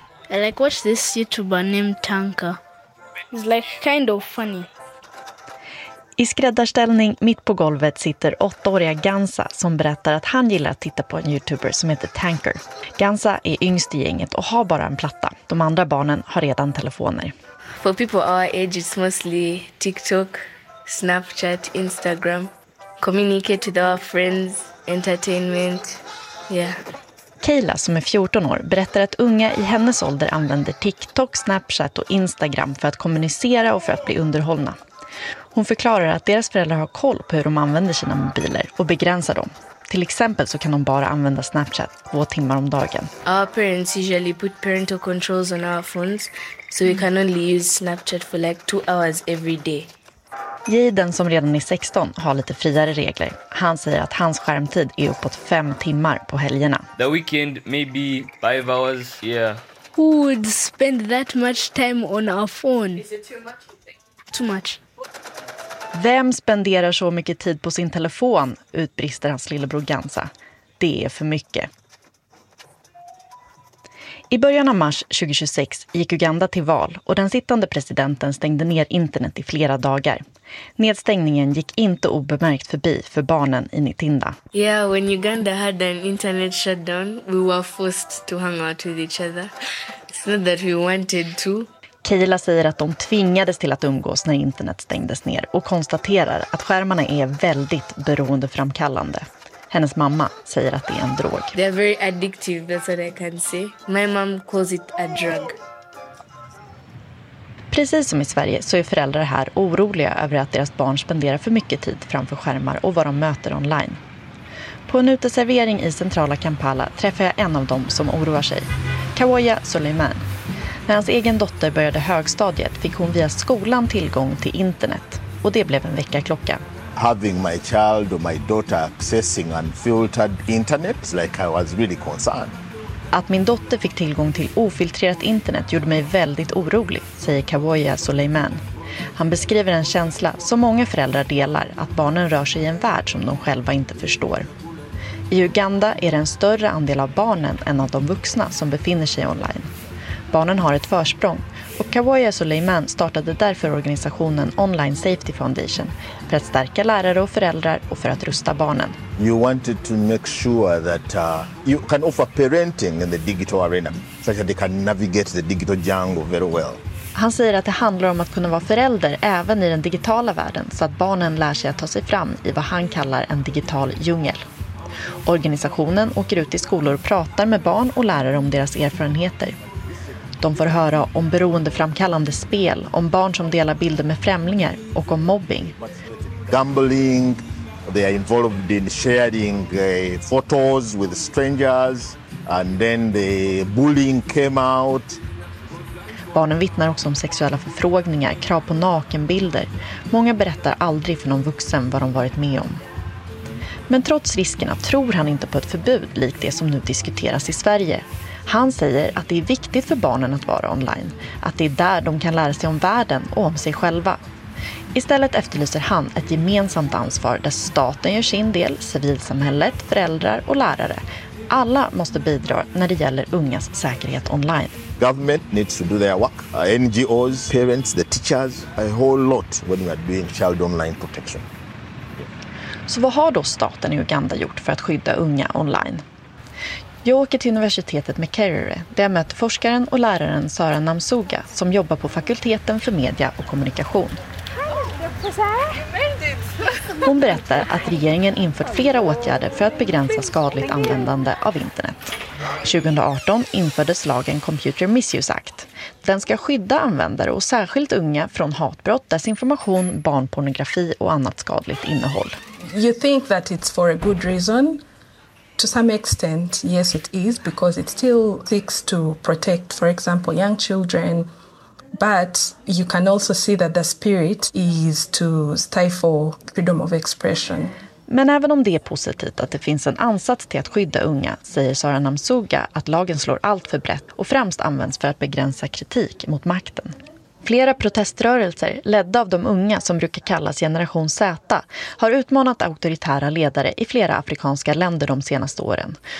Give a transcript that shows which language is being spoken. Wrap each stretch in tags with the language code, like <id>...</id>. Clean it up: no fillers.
<en>I like watch this YouTuber named Tanka. It's like kind of funny.</en> <sv>I skräddarställning mitt på golvet sitter 8-åriga Gansa som berättar att han gillar att titta på en YouTuber som heter Tanker. Gansa är yngst i gänget och har bara en platta. De andra barnen har redan telefoner.</sv> <en>For people our age it's mostly TikTok, Snapchat, Instagram. Communicate with our friends. Entertainment. Yeah.</en> <sv>Kayla som är 14 år berättar att unga i hennes ålder använder TikTok, Snapchat och Instagram för att kommunicera och för att bli underhållna. Hon förklarar att deras föräldrar har koll på hur de använder sina mobiler och begränsar dem. Till exempel så kan de bara använda Snapchat 2 timmar om dagen.</sv> <en>Our parents usually put parental controls on our phones, so we can only use Snapchat for like 2 hours every day.</en> <sv>Jaden som redan är 16 har lite friare regler. Han säger att hans skärmtid är uppåt 5 timmar på helgerna.</sv> <en>The weekend maybe 5 hours. Yeah. Who would spend that much time on a phone? Is it too much? Too much.</en> <sv>Vem spenderar så mycket tid på sin telefon? Utbrister hans lillebror Gansa. Det är för mycket. I början av mars 2026 gick Uganda till val och den sittande presidenten stängde ner internet i flera dagar. Nedstängningen gick inte obemärkt förbi för barnen i Nitinda.</sv> <en>Yeah, when Uganda had an internet shutdown, we were forced to hang out with each other. It's not that we wanted to.</en> <sv>Kayla säger att de tvingades till att umgås när internet stängdes ner och konstaterar att skärmarna är väldigt beroendeframkallande. Hennes mamma säger att det är en drog.</sv> <en>They are very addictive, that's what I can say. My mom calls it a drug.</en> <sv>Precis som i Sverige så är föräldrar här oroliga över att deras barn spenderar för mycket tid framför skärmar och vad de möter online. På en uteservering i centrala Kampala träffar jag en av dem som oroar sig. Kawoya Suleiman. När hans egen dotter började högstadiet fick hon via skolan tillgång till internet. Och det blev en väckarklocka.</sv> <en>Having my child or my daughter accessing unfiltered internet, like I was really concerned.</en> <sv>Att min dotter fick tillgång till ofiltrerat internet gjorde mig väldigt orolig, säger Kawoya Suleiman. Han beskriver en känsla som många föräldrar delar, att barnen rör sig i en värld som de själva inte förstår. I Uganda är det en större andel av barnen än av de vuxna som befinner sig online. Barnen har ett försprång och Kawoya Suleiman startade därför organisationen Online Safety Foundation för att stärka lärare och föräldrar och för att rusta barnen.</sv> <en>You wanted to make sure that you can offer parenting in the digital arena so that they can navigate the digital jungle very well.</en> <sv>Han säger att det handlar om att kunna vara förälder även i den digitala världen så att barnen lär sig att ta sig fram i vad han kallar en digital djungel. Organisationen åker ut i skolor och pratar med barn och lärare om deras erfarenheter. De får höra om beroendeframkallande spel, om barn som delar bilder med främlingar och om mobbing.</sv> <en>Gambling, they are involved in sharing photos with strangers and then the bullying came out.</en> <sv>Barnen vittnar också om sexuella förfrågningar, krav på nakenbilder. Många berättar aldrig för någon vuxen vad de varit med om. Men trots riskerna tror han inte på ett förbud likt det som nu diskuteras i Sverige. Han säger att det är viktigt för barnen att vara online. Att det är där de kan lära sig om världen och om sig själva. Istället efterlyser han ett gemensamt ansvar där staten gör sin del, civilsamhället, föräldrar och lärare. Alla måste bidra när det gäller ungas säkerhet online.</sv> <en>Government needs to do their work. NGOs, parents, the teachers, a whole lot when we are doing child online protection.</en> <sv>Så vad har då staten i Uganda gjort för att skydda unga online? Jag åker till universitetet Makerere där jag möter forskaren och läraren Sara Namsuga som jobbar på fakulteten för media och kommunikation. Hon berättar att regeringen infört flera åtgärder för att begränsa skadligt användande av internet. 2018 infördes lagen Computer Misuse Act. Den ska skydda användare och särskilt unga från hatbrott, desinformation, barnpornografi och annat skadligt innehåll.</sv> <en>You think that it's for a good reason? To some extent, yes it is, because it still seeks to protect, for example, young children. But you can also see that the spirit is to stifle freedom of expression.</en> <sv>Men även om det är positivt att det finns en ansats till att skydda unga, säger Sara Namsuga att lagen slår allt för brett och främst används för att begränsa kritik mot makten. Flera proteströrelser, ledda av de unga som brukar kallas Generation Z, har utmanat auktoritära ledare i flera afrikanska länder de senaste åren.</sv>